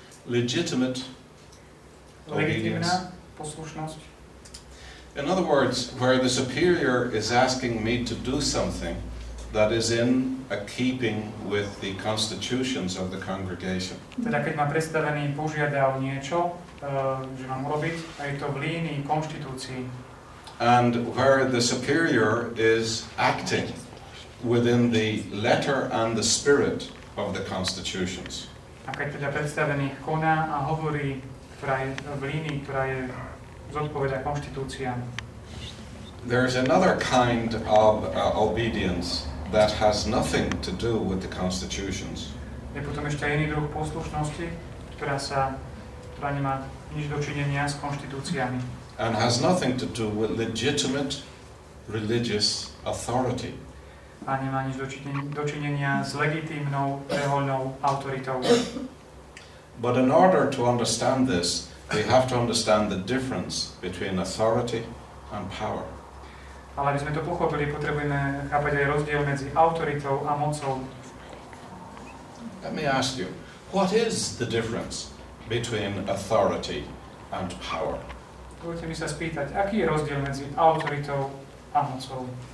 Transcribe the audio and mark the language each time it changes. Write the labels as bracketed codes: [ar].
[en] Legitimate obedience. [sk] Legitimná poslušnosť. [en] In other words, where the superior is asking me to do something that is in a keeping with the constitutions of the congregation. [sk] Teda keď ma predstavený požiada o niečo, že mám urobiť, a je to v línii konštitúcií. [en] And where the superior is acting within the letter and the spirit of the constitutions. [sk] A keď teda predstavený koná a hovorí v línii, ktorá je zodpovedá konštitúciám. [en] There is another kind of obedience that has nothing to do with the constitutions. [sk] Je potom ešte iný druh poslušnosti, ktorá nemá nič dočinenia s konštitúciami. [en] And has nothing to do with legitimate religious authority. [sk] A nemá nič dočinenia s legitímnou reholnou autoritou. [en] But in order to understand this, we have to understand the difference between authority and power. [sk] Ale aby sme to pochopili, potrebujeme chápať aj rozdiel medzi autoritou a mocou. [en] Let me ask you, what is the difference between authority and power? [sk] Dovolte mi sa spýtať, aký je rozdiel medzi autoritou a mocou?